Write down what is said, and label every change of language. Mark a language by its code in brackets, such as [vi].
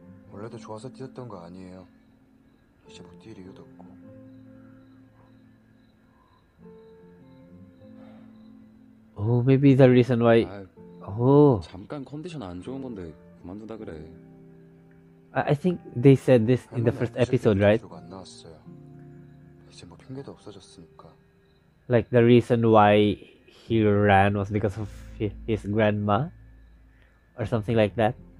[ko] 원래도 좋아서 뛰었던 거 아니에요. 이제 못 뛸 이유도 없고. [en] 오, maybe the reason why. 오. [ko] 잠깐 컨디션 안 좋은 건데 그만둔다 그래. [en] I think they said this in the first episode, right? [ko] 안 나왔어요. 이제 뭐 핑계도 없어졌으니까. [en] Like the reason why he ran was because of his grandma or something like that.